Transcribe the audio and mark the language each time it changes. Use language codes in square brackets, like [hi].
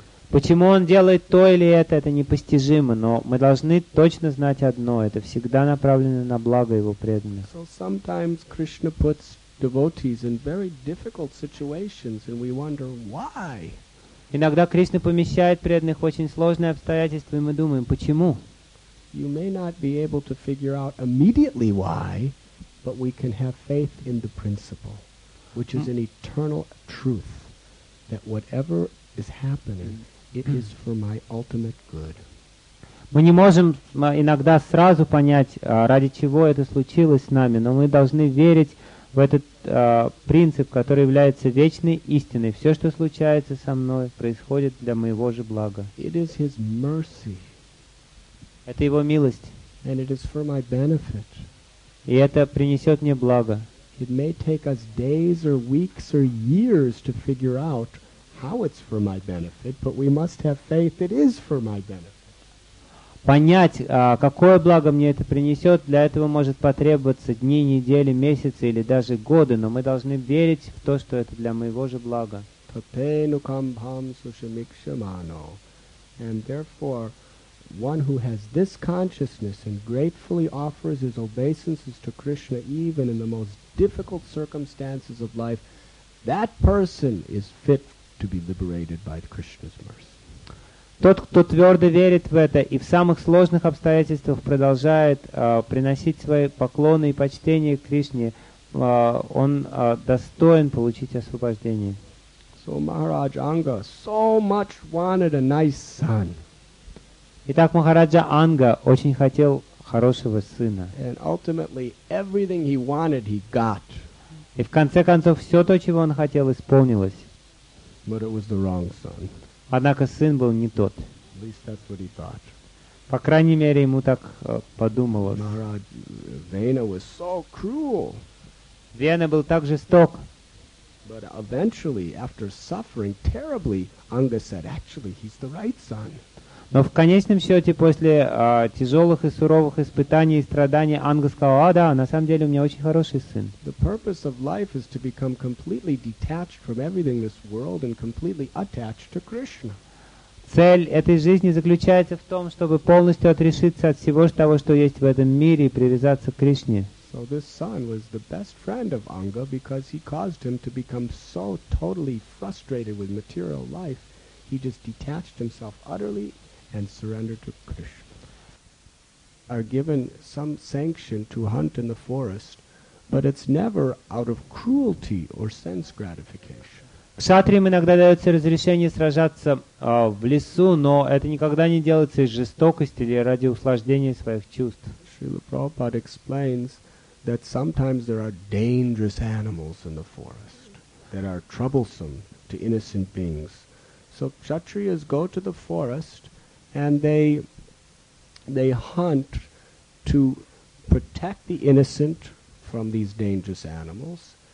[ru] Почему он делает то или это непостижимо, но мы должны точно знать одно, это всегда направлено на благо его преданных. [en] So sometimes Krishna puts devotees in very difficult situations, and we wonder why. [ru] Иногда Кришна помещает преданных в очень сложные обстоятельства, и мы думаем, почему? [en] You may not be able to figure out immediately why, but we can have faith in the principle, which is an eternal truth, that whatever is happening, it is for my ultimate good. [ru] Мы не можем иногда сразу понять, ради чего это случилось с нами, но мы должны верить в этот принцип, который является вечной истиной. Все, что случается со мной, происходит для моего же блага. [en] It is his mercy. [ru] Это его милость. [en] And it is for my benefit. [ru] И это принесет мне благо. [en] It may take us days or weeks or years to figure out how it's for my benefit, but we must have faith it is for my benefit. [ru] понять, какое благо мне это принесет, для этого может потребоваться дни, недели, месяцы или даже годы, но мы должны верить в то, что это для моего же блага. [en] And therefore, one who has this consciousness and gratefully offers his obeisances to Krishna even in the most difficult circumstances of life, that person is fit to be liberated by Krishna's mercy. [ru] Тот, кто твердо верит в это и в самых сложных обстоятельствах продолжает приносить свои поклоны и почтение Кришне, он достоин получить освобождение. [en] So Maharaj Anga so much wanted a nice son. [ru] Итак, Махараджа Анга очень хотел хорошего сына. [en] And ultimately everything he wanted he got. [ru] И в конце концов все то, чего он хотел, исполнилось. [en] But it was the wrong son. [ru] Однако сын был не тот. [en] At least that's what he thought. [ru] По крайней мере, ему так подумалось. [en] Maharaj Vena was so cruel. [ru] Вена был так жесток. [en] But eventually, after suffering terribly, Anga said, actually, he's the right son. [ru] Но в конечном счете, после тяжелых и суровых испытаний и страданий, Анга сказал, а да, на самом деле у меня очень хороший сын. [en] The purpose of life is to become completely detached from everything in this world and completely attached to Krishna. [ru] Цель этой жизни заключается в том, чтобы полностью отрешиться от всего того, что есть в этом мире, и привязаться к Кришне. [en] So this son was the best friend of Anga because he caused him to become so totally frustrated with material life, he just detached himself utterly and surrendered to Krishna. Are given some sanction to hunt in the forest, but it's never out of cruelty or sense gratification. [ru] Кшатриям иногда дается разрешение сражаться в лесу, но это никогда не делается из жестокости или ради услаждения своих чувств. [en] Шрила Прабхупада explains that sometimes there are dangerous animals in the forest that are troublesome to innocent beings. So kshatriyas go to the forest and they hunt to protect the innocent from these dangerous animals.